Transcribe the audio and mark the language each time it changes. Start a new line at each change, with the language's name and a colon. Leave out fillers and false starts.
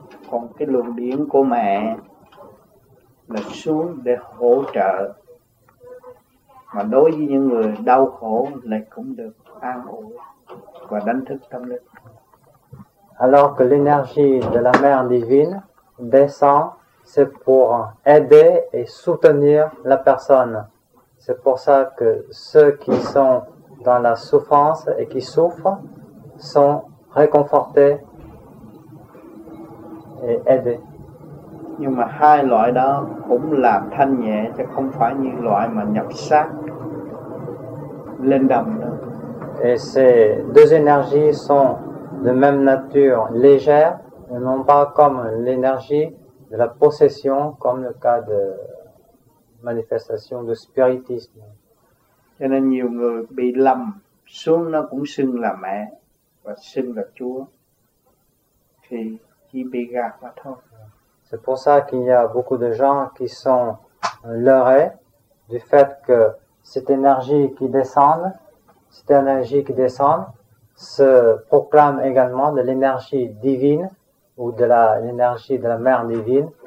Vietnamese: còn cái luồng điển của mẹ là xuống để hỗ trợ, mà đối với những người đau khổ lại cũng được an ủi và đánh thức tâm linh.
French: Alors que l'énergie de la mère divine descend, c'est pour aider et soutenir la personne. C'est pour ça que ceux qui sont dans la souffrance et qui souffrent sont réconfortés et aidés.
Vietnamese: Nhưng mà hai loại đó cũng làm thanh nhẹ, chứ không phải như loại mà nhập xác lên đầm nữa.
French: Et ces deux énergies sont de même nature légère, et non pas comme l'énergie de la possession, comme le cas de manifestation de spiritisme.
Vietnamese: Cho nên nhiều người bị lầm, xuống nó cũng xưng là mẹ và xưng là Chúa, thì chỉ bị gạt mà thôi.
French: C'est pour ça qu'il y a beaucoup de gens qui sont leurrés du fait que cette énergie qui descend se proclame également de l'énergie divine ou de l'énergie de la mère divine.